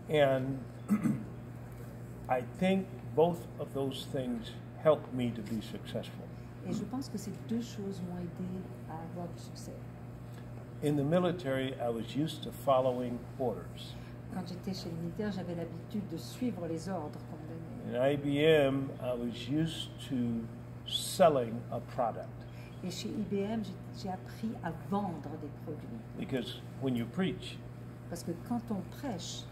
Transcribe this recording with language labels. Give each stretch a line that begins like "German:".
English: And I think both of those things helped me to be successful.
French: Et je pense que ces deux choses m'ont aidé à avoir du succès.
English: In the military, I was used to following orders.
French: Quand j'étais chez le militaire, j'avais l'habitude de suivre les ordres qu'on me donnait.
English: In IBM, I was used to selling a product.
French: Et chez IBM, j'ai appris à vendre des produits.
English: Because when you preach,
French: parce que quand on prêche,